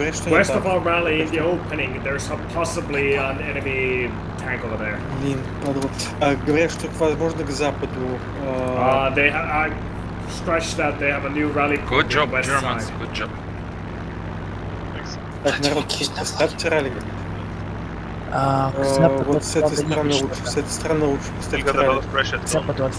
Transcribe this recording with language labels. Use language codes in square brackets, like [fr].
[en] West of our rally, in the opening, there's possibly an enemy tank over there. [ru] Блин, надо вот. А говорят, что возможно к западу. [en] They have. I stretched that they have a new rally. Good job, Germans. Good job. [ru] Так, народ, ставьте ралли. Вот с этой стороны лучше, с этой стороны лучше поставьте ралли.